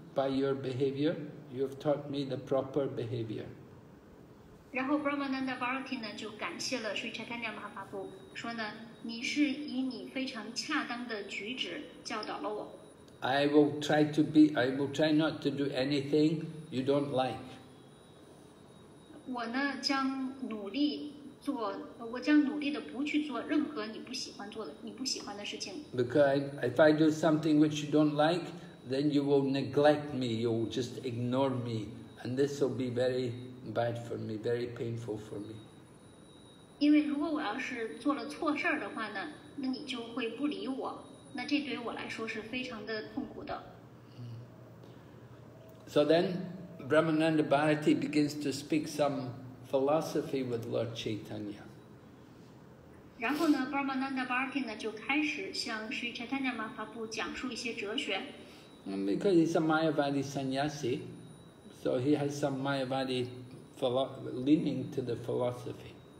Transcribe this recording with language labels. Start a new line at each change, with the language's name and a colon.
English: By your behavior, you have taught me the proper behavior.
Chinese: 然后 Brahmananda Bharati 呢就感谢了 Sri Chaitanya Mahaprabhu， 说呢，你是以你非常恰当的举止教导了我。
English: I will try not to do anything you don't like.
Chinese: 我呢将努力做，我将努力的不去做任何你不喜欢做的，你不喜欢的事情。
English: Because if I do something which you don't like. Then you will neglect me, you will just ignore me, and this will be very bad for me, very painful for me.
Chinese: 因为如果我要是做了错事的话呢，那你就会不理我，那这对我来说是非常的痛苦的。
English: So then, Brahmananda Bharati begins to speak some philosophy with Lord Chaitanya.
Chinese: 然后呢 ，Brahmananda Bharati 呢就开始向 Sri Chaitanya Mahaprabhu 讲述一些哲学。
English: Because he's a Mayavadi sannyasi, so he has some Mayavadi leaning to the philosophy.